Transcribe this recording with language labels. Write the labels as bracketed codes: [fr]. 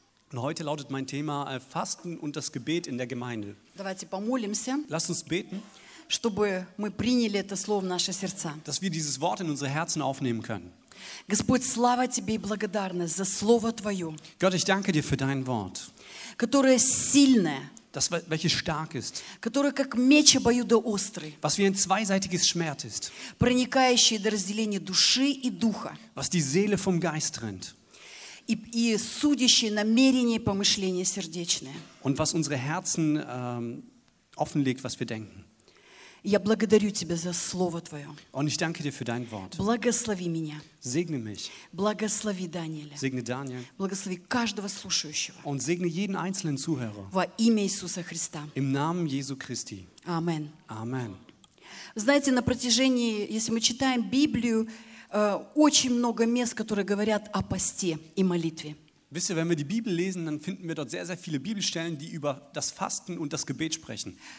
[de] Und heute lautet mein Thema Fasten und das Gebet in der Gemeinde. Lass uns beten, dass wir dieses Wort in unsere Herzen aufnehmen können. [ru] Господь, слава тебе и благодарность за слово твое. [de] Gott, ich danke dir für dein Wort, [ru] которое сильное, [de] das, welches stark ist, [ru] которое как меч обоюдоострый, [de] was wie ein zweiseitiges Schwert ist, [ru] проникающее до разделения души и духа, [de] was die Seele vom Geist trennt, [ru] и судящее намерения и помышления сердечные, [de] und was unsere Herzen offenlegt, was wir denken. [ru] Я благодарю тебя за слово твое. [de] Und ich danke dir für dein Wort. [ru] Благослови меня. [de] Segne mich. [ru] Благослови Даниэля. [de] Segne Daniel. [ru] Благослови каждого слушающего. [de] Und segne jeden einzelnen Zuhörer. [ru] Во имя Иисуса Христа. [de] Im Namen Jesu Christi. Amen. Amen. [ru] Знаете, на протяжении, если мы читаем Библию, очень много мест, которые говорят о посте и молитве. [de] Wisst ihr, wenn wir die Bibel lesen, dann finden wir dort sehr, sehr viele Bibelstellen, die über das Fasten und das Gebet sprechen.